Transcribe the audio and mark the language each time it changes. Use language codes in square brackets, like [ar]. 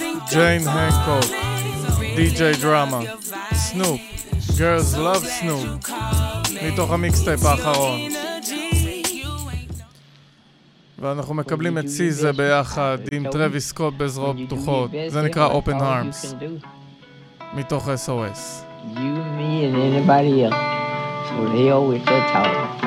[he] Jane Hancock, DJ Drama, Snoop, Girls Love Snoop, מתוך המיקסטייפ האחרון. ואנחנו מקבלים את סיזה ביחד עם טרוויס סקוט בזרועות פתוחות, זה נקרא Open Arms, מתוך SOS. [en] You, me and anybody else, so they always tell you.